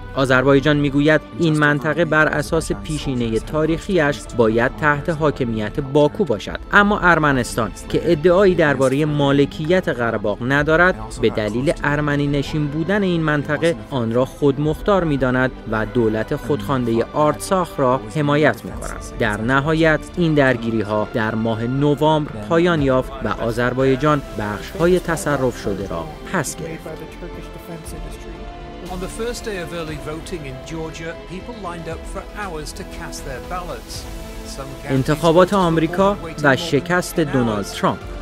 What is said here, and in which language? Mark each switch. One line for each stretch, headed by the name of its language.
Persian: آذربایجان میگوید این منطقه بر اساس پیشینه تاریخیش باید تحت حاکمیت باکو باشد، اما ارمنستان که ادعایی درباره مالکیت قره‌باغ ندارد، به دلیل ارمنی نشین بودن این منطقه آن را خود مختار می‌داند و دولت خودخوانده آرتساخ را حمایت می‌کند. در نهایت این درگیری‌ها در ماه نوامبر پایان یافت و آذربایجان بخش‌های تصرف شده را پس گرفت.
English: On the first day of early voting in Georgia, people lined up for hours to cast their ballots.
Persian: انتخابات آمریکا و شکست دونالد ترامپ.